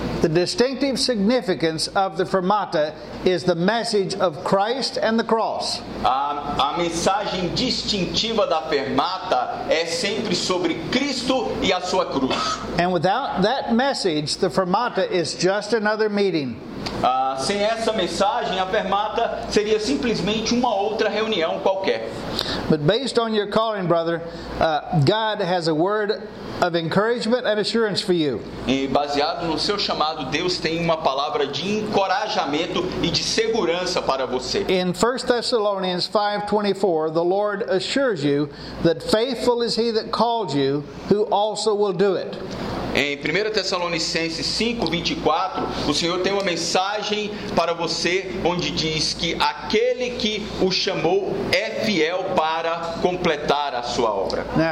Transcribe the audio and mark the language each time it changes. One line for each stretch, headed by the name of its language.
English: The distinctive significance of the Fermata is the message of Christ and the cross.
Portuguese: A mensagem distintiva da Fermata é sempre sobre Cristo e a sua cruz.
English: And without that message, the Fermata is just another meeting.
Portuguese: Sem essa mensagem, a Fermata seria simplesmente uma outra reunião qualquer.
English: But based on your calling, brother, God has a word of encouragement and assurance for you.
Portuguese: E baseado no seu chamado, Deus tem uma palavra de encorajamento e de segurança para você.
English: In 1 Thessalonians 5:24, the Lord assures you that faithful is he that called you, who also will do it.
Portuguese: Em 1 Tessalonicenses 5:24, o Senhor tem uma mensagem para você onde diz que aquele que o chamou é fiel para completar a sua obra.